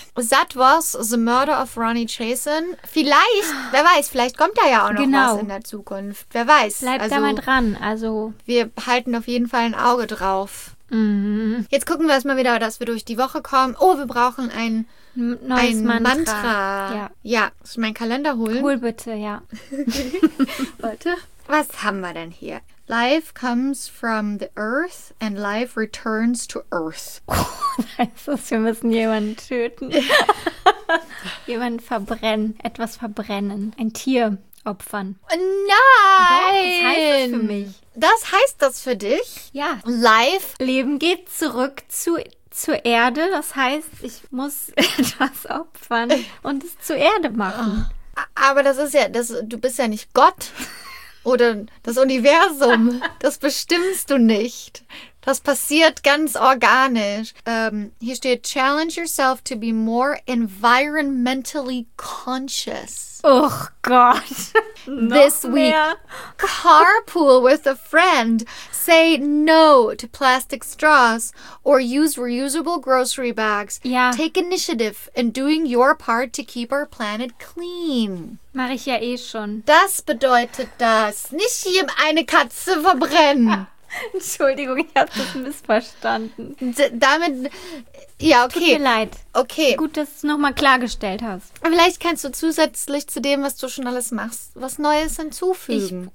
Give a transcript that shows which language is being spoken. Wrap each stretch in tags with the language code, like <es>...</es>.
<en>That was the murder of Ronnie Chasen.</en> <de>Vielleicht, wer weiß, vielleicht kommt da ja auch noch was in der Zukunft. Wer weiß. Bleibt also, da mal dran. Also. Wir halten auf jeden Fall ein Auge drauf. Mhm. Jetzt gucken wir erstmal wieder, dass wir durch die Woche kommen. Oh, wir brauchen ein... Neues Mantra. Ja. Soll ich meinen Kalender holen? Hol bitte, ja. Warte. Was haben wir denn hier?</de> <en>Life comes from the earth and life returns to earth.</en> <de>Weißt du, wir müssen jemanden töten. Jemanden verbrennen. Etwas verbrennen. Ein Tier opfern. Nein! Was heißt das für mich? Das heißt das für dich? Ja.</de> <en>Life.</en> <de>Leben geht zurück zur Erde. Das heißt, ich muss etwas opfern und es zur Erde machen. Aber das ist ja, du bist ja nicht Gott. Oder das Universum, das bestimmst du nicht. Das passiert ganz organisch. Hier steht,</de> <en>challenge yourself to be more environmentally conscious.</en> <de>Oh Gott.</de> <en>This week, carpool with a friend. Say no to plastic straws or use reusable grocery bags. Yeah. Take initiative in doing your part to keep our planet clean.</en> <de>Mache ich ja eh schon. Das bedeutet das. Nicht hier eine Katze verbrennen. Entschuldigung, ich habe das missverstanden. Damit, ja, okay. Tut mir leid. Okay. Gut, dass du es nochmal klargestellt hast. Vielleicht kannst du zusätzlich zu dem, was du schon alles machst, was Neues hinzufügen.</de>